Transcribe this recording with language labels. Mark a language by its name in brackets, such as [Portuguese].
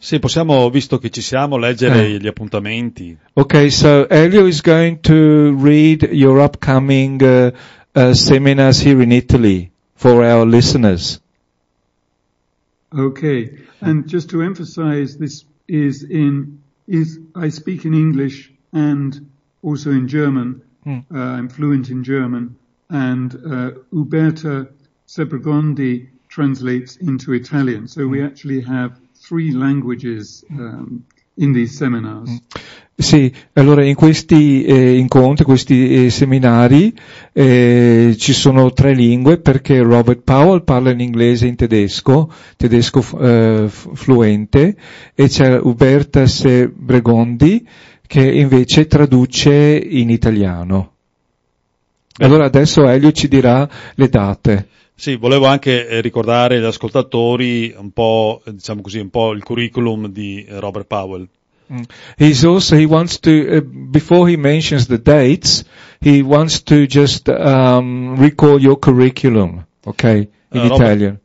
[Italian] Sì, possiamo, visto che ci siamo, leggere gli appuntamenti. [English] Ok, so Elio is going to read your upcoming seminars here in Italy for our listeners. Ok, and just to emphasize this I speak in English and also in German. I'm fluent in German, and Uberta Sebregondi translates into Italian. So we actually have three languages in these seminars. [Italian] Sì, allora in questi incontri, questi seminari ci sono tre lingue, perché Robert Powell parla in inglese e in tedesco fluente, e c'è Uberta Sebregondi che invece traduce in italiano. Allora adesso Elio ci dirà le date. Sì, volevo anche ricordare agli ascoltatori un po', diciamo così, un po' il curriculum di Robert Powell. [English] Before he mentions the dates, he wants to just recall your curriculum, okay, in Italian.